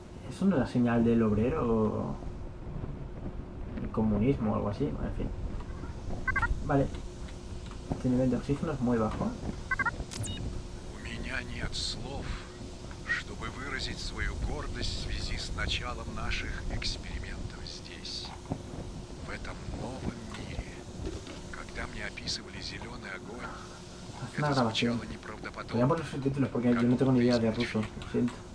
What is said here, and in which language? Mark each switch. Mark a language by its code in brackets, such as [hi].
[es] ¿Eso no es la señal del obrero o...? Comunismo o algo así, en fin. Vale. Este nivel de oxígeno es muy bajo. [ru] У меня нет слов, чтобы выразить свою гордость в связи с началом наших экспериментов здесь, в этом новом мире. Когда мне описывали зеленый огонь, [es] Haz una grabación. Voy a poner los subtítulos porque yo no tengo ni idea de ruso, lo siento.